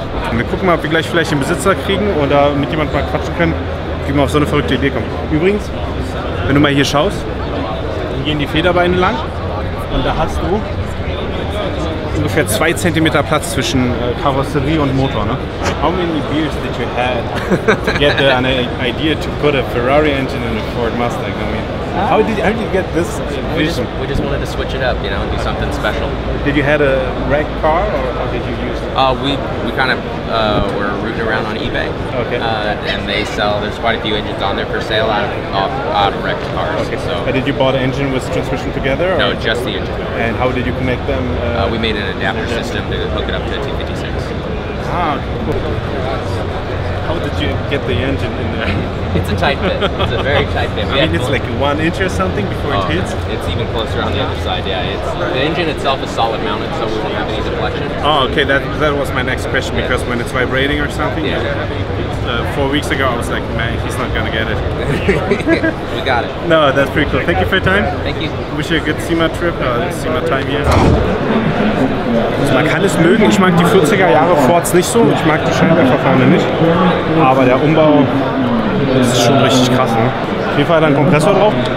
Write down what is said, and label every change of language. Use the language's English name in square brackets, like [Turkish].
[German] Und wir gucken mal, ob wir gleich vielleicht den Besitzer kriegen oder mit jemandem mal quatschen können, wie wir auf so eine verrückte Idee kommen. Übrigens, wenn du mal hier schaust, hier gehen die Federbeine lang. Und da hast du ungefähr 2 cm Platz zwischen Karosserie und Motor, ne? [English] How many beers did you have to get an idea to put a Ferrari engine in a Ford Mustang? I mean, how did you get this vision? We just wanted to switch it up, you know, and do something special. Did you have a wreck car or how did you use it? We were rooting around on eBay. Okay. And they sell, there's quite a few engines on there for sale out of wrecked cars. Okay. So. And did you buy the engine with transmission together? Or no, just the engine. And how did you connect them? We made an adapter system to hook it up to the 256. Ah, cool. How did you get the engine in there? It's a tight fit. It's a very tight fit. I mean, it's like 1 inch or something before it hits? It's even closer on the other side, yeah. The engine itself is solid mounted, so we won't have any deflection. Oh, okay. That was my next question, because when it's vibrating or something, yeah. Yeah. 4 weeks ago, I was like, man, he's not going to get it. We got it. No, that's pretty cool. Thank you for your time. Thank you. Wish you a good SEMA trip, SEMA time here. [German] Also man kann es mögen, ich mag die 40er Jahre Fords nicht so, ich mag die Scheinwerferfahne nicht, aber der Umbau ist schon richtig krass. Ne? Auf jeden Fall hat er einen Kompressor drauf.